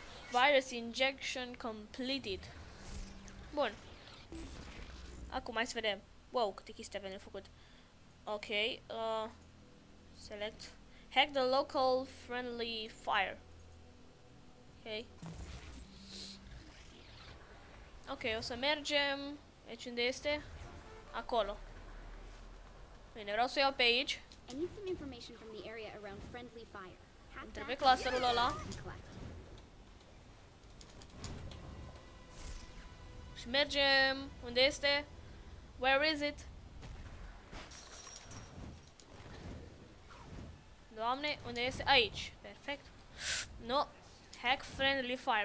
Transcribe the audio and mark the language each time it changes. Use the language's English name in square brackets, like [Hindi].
[English] Virus injection completed. [Romanian] Bun. Acum hai să vedem. Wow, câte chestii avem de făcut. [English] Ok, select. Hack the local friendly fire. Ok. [Romanian] Ok, o să mergem. Aici unde este? Acolo. Bine, vreau să iau pe aici. [English] I need some information from the area around friendly fire. [Romanian] Îmi trebuie clusterul ăla. Și mergem. Unde este? [English] Where is it? [Romanian] Doamne, unde este? Aici. Perfect. No. [English] Hack friendly fire.